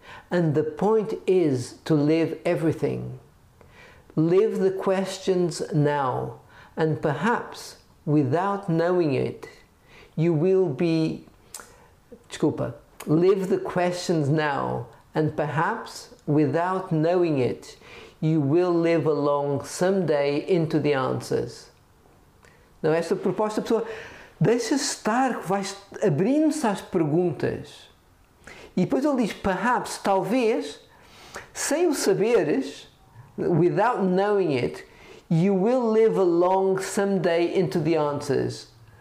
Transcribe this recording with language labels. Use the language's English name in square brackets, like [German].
[English] And the point is to live everything. Live the questions now, and perhaps without knowing it, you will be... [Portuguese] Desculpa. [English] Live the questions now, and perhaps without knowing it, you will live along someday into the answers. [Portuguese] Não, esta proposta, a pessoa deixa-se estar, vais abrindo-se às perguntas. E depois ele diz, [English] perhaps, [Portuguese] talvez, sem o saberes, [English] without knowing it, you will live along someday into the answers.